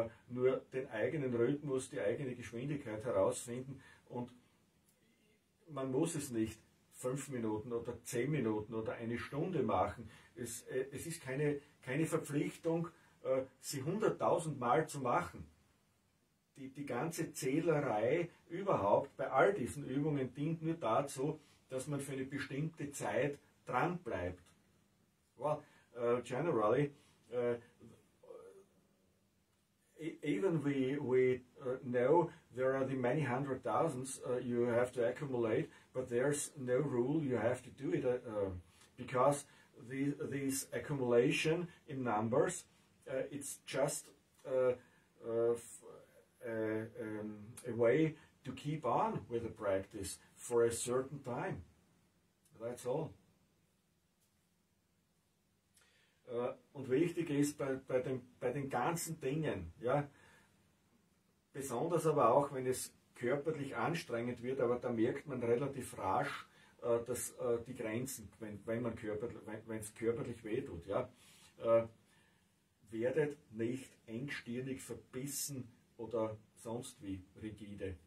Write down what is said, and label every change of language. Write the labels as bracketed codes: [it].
[de] Nur den eigenen Rhythmus, die eigene Geschwindigkeit herausfinden und man muss es nicht 5 Minuten oder 10 Minuten oder eine Stunde machen. Es ist keine Verpflichtung, sie 100.000 Mal zu machen. Die ganze Zählerei überhaupt bei all diesen Übungen dient nur dazu, dass man für eine bestimmte Zeit dran bleibt. [en] Well, generally, even we know there are the many hundred thousands you have to accumulate, but there's no rule you have to do it because these accumulation in numbers it's just a way to keep on with the practice for a certain time. That's all. [de] Und wichtig ist bei den ganzen Dingen, ja, besonders aber auch, wenn es körperlich anstrengend wird, aber da merkt man relativ rasch, dass die Grenzen, wenn es körperlich wehtut, ja, werdet nicht engstirnig, verbissen oder sonst wie rigide.